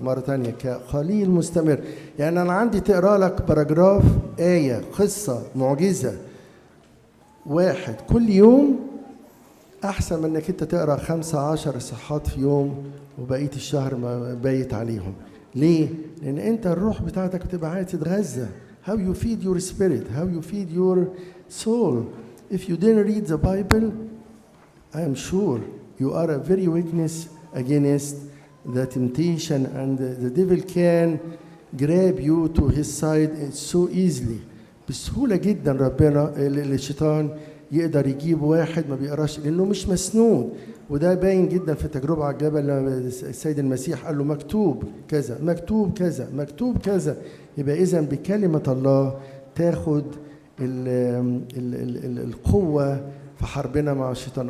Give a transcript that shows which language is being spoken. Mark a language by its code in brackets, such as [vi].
[ar] مره تانية، قليل مستمر، يعني انا عندي تقرا لك باراجراف، ايه، قصه، معجزه واحد كل يوم، احسن من انك انت تقرا 15 صفحات في يوم وبقيت الشهر ما بايت عليهم. ليه؟ لان انت الروح بتاعتك بتبقى عايز تتغذى. [en] How you feed your spirit, how you feed your soul. If you didn't read the Bible, I am sure you are a very weakness against the temptation, and the devil can grab you to his side so easily. [ar] بسهولة جدا ربنا الشيطان يقدر يجيب واحد ما بيقراش لانه مش مسنود. وده باين جدا في تجربة على الجبل لما السيد المسيح قال له مكتوب كذا مكتوب كذا مكتوب كذا. يبقى إذن بكلمة الله تاخد الـ الـ الـ الـ القوة في حربنا مع الشيطان.